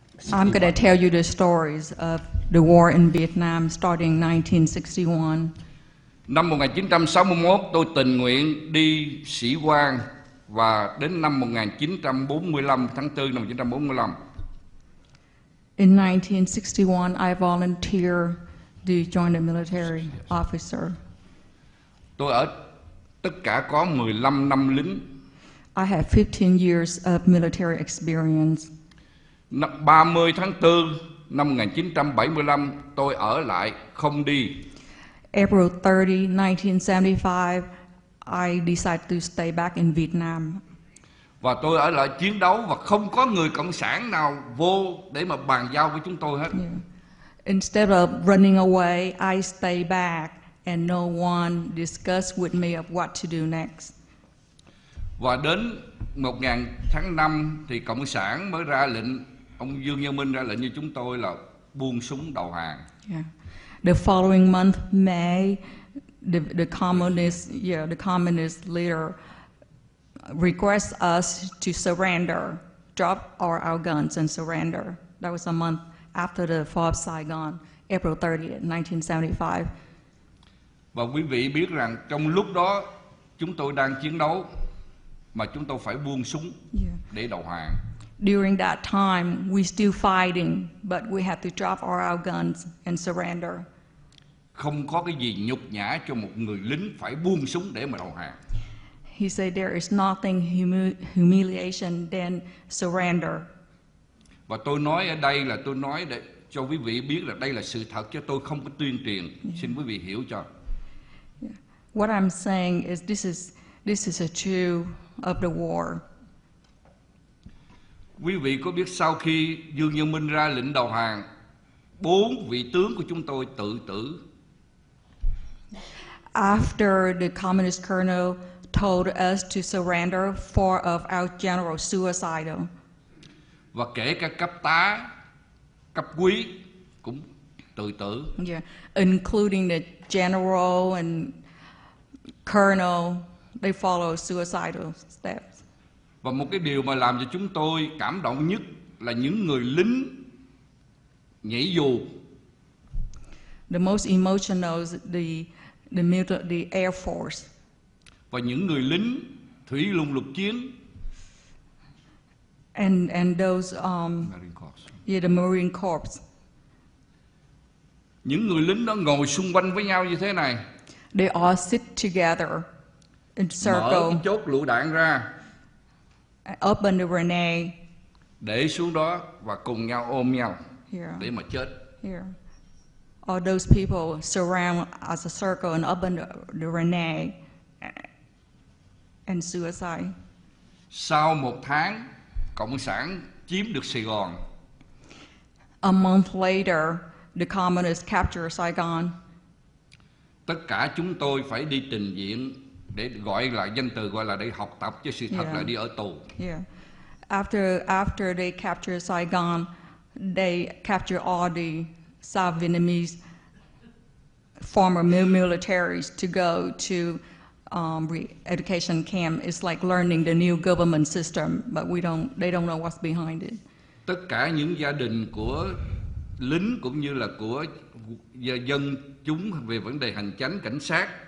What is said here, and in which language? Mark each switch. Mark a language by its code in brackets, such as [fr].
[en] I'm going to tell you the stories of the war in Vietnam starting 1961. [vi] Năm 1961, tôi tình nguyện đi sĩ quan và đến năm 1945, tháng 4 năm 1945. [en] In 1961, I volunteered to join the military officer. [vi] Tôi ở tất cả có 15 năm lính. [en] I have 15 years of military experience. [vi] 30 tháng 4 năm 1975, tôi ở lại không đi. [en] April 30, 1975, I decided to stay back in Vietnam. [vi] Và tôi ở lại chiến đấu và không có người Cộng sản nào vô để mà bàn giao với chúng tôi hết. [en] Yeah. Instead of running away, I stay back and no one discussed with me of what to do next. [vi] Và đến 1000 tháng 5 thì Cộng sản mới ra lệnh, ông Dương Nhân Minh ra lệnh như chúng tôi là buông súng đầu hàng. [en] Yeah. The following month, May, the communist leader request us to surrender, drop our guns and surrender. That was a month after the fall of Saigon, April 30, 1975. [vi] Và quý vị biết rằng trong lúc đó chúng tôi đang chiến đấu mà chúng tôi phải buông súng để đầu hàng. [en] During that time, we still fighting, but we have to drop our guns and surrender. [vi] Không có cái gì nhục nhã cho một người lính phải buông súng để mà đầu hàng. [en] He said there is nothing humiliation than surrender. [vi] Và tôi nói ở đây là tôi nói để cho quý vị biết là đây là sự thật chứ tôi không có tuyên truyền. Yeah. Xin quý vị hiểu cho. [en] Yeah. What I'm saying is this is a truth of the war. [vi] Quý vị có biết sau khi Dương Nhân Minh ra lệnh đầu hàng, bốn vị tướng của chúng tôi tự tử. [en] After the communist colonel told us to surrender, four of our generals suicidal. [vi] Và kể cả cấp tá, cấp quý cũng tự tử. [en] Yeah, including the general and colonel, they follow suicidal steps. [vi] Và một cái điều mà làm cho chúng tôi cảm động nhất là những người lính nhảy dù. [en] The most emotional is the Air Force. [vi] Và những người lính thủy lùng lục chiến. [en] And those Marine Corps. Yeah, the Marine Corps. [vi] Những người lính đó ngồi xung quanh với nhau như thế này. [en] They all sit together in circle. [vi] Mở chốt lựu đạn ra. [en] Open the grenade. [vi] Để xuống đó và cùng nhau ôm nhau. Yeah. Để mà chết. [en] Yeah. All those people surround as a circle and open the grenade. And suicide. [vi] Sau một tháng, Cộng sản chiếm được Sài Gòn. [en] A month later, the communists captured Saigon. [vi] Tất cả chúng tôi phải đi trình diện để gọi là danh từ gọi là để học tập chứ sự thật là đi ở tù. [en] Yeah. After they captured Saigon, they captured all the South Vietnamese former militaries to go to re-education camp. It's like learning the new government system, but they don't know what's behind it. [vi] Tất cả những gia đình của lính cũng như là của dân chúng về vấn đề hành chánh cảnh sát.